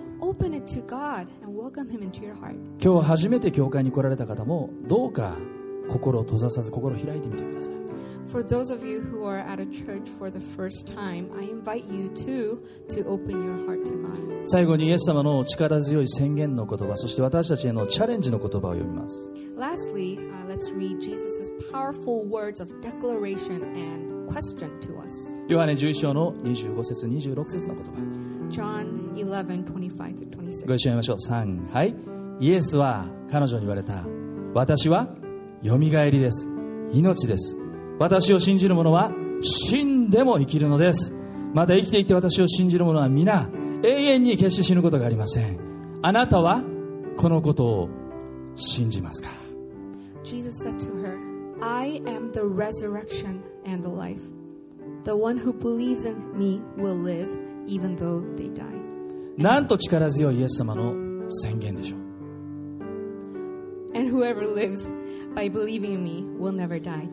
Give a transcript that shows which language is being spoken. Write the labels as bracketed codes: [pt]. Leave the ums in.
[en] Open it to God and welcome him into your heart. [ja] 今日初めて教会に来られた方もどうか心を閉ざさず心を開いてみてください。 [en] For those of you who are at a church for the first time, I invite you to to open your heart to God. [ja] 最後にイエス様の力強い宣言の言葉、そして私たちへのチャレンジの言葉を読みます。 [en] Lastly, uh, let's read Jesus' powerful words of declaration and question to us. [ja] ヨハネ11章の25節、26節の言葉。 [en] John 11, 25 to 26. ご [ja] 一緒に読みましょう。3、はい。イエスは彼女に言われた。私は蘇りです。命です。私を信じる者は死んでも生きるのですまた生きていて私を信じる者は皆永遠に決して死ぬことがありませんあなたはこのことを信じますか [en] Jesus said to her I am the resurrection and the life the one who believes in me will live even though they die [ja] なんと力強いイエス様の宣言でしょう [en] and whoever lives by believing in me will never die.